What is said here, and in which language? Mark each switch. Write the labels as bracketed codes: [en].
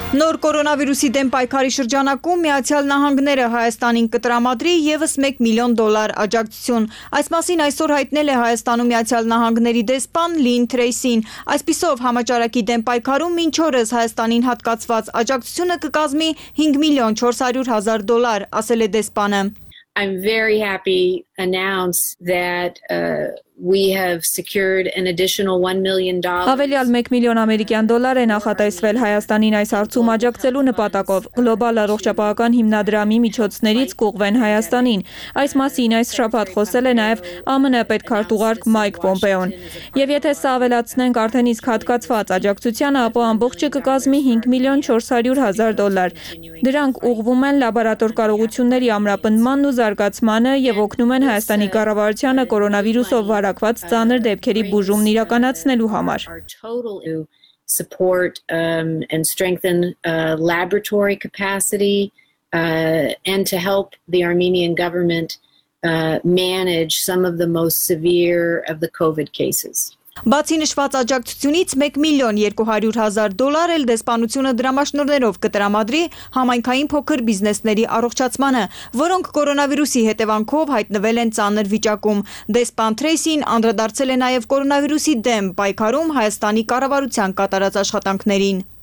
[hy] Նոր կորոնավիրուսի դեմ պայքարի շրջանակում Միացյալ Նահանգները Հայաստանին կտրամադրի ևս 1 միլիոն դոլար աջակցություն։ Այս մասին այսօր հայտնել է Հայաստանում Միացյալ Նահանգների դեսպան Լին Թրեյսին։ Այսպիսով համաճարակի դեմ պայքարում մինչ օրս Հայաստանին հատկացված աջակցությունը կկազմի 5 միլիոն 400 000 դոլար, ասել է դեսպանը։ [en] I'm very happy to announce that we have secured an additional $1 million. [hy] Հավելյալ 1 միլիոն ամերիկյան դոլար է նախատեսվել Հայաստանին այս հարցում աջակցելու նպատակով։ Գլոբալ առողջապահական հիմնադրամի միջոցներից կուղվեն Հայաստանին։ Այս մասին այս շաբաթ խոսել է նաև ԱՄՆ պետքարտուղարք Մայք Պոմպեոն։ Եվ եթե սա ավելացնենք արդեն իսկ հատկացված աջակցությանը, ապա ամբողջը կկազմի 5 միլիոն 400 000 դոլար։ Դրանք ուղղվում են լաբորատոր կարողությունների ամրապնդմանն ու զարգացմանը և օգնում են Հայաստանի կառավարությանը կորոնավիրուսով վարակված ծանր դեպքերի բուժումն իրականացնելու համար. [en] Support and strengthen laboratory capacity and to help the Armenian government manage some of the most severe of the COVID cases. [hy] Բացի նշված աջակցությունից 1,200,000 դոլար էլ դեսպանությունը դրամաշնորներով կտրամադրի համայնքային փոքր բիզնեսների առողջացմանը, որոնք կորոնավիրուսի հետևանքով հայտնվել են ծանր վիճակում։ Դեսպան Թրեյսին անդրադարձել է նաև կորոնավիրուսի դեմ պայքարում Հայաստանի կառավարության կատարած աշխատանքներին։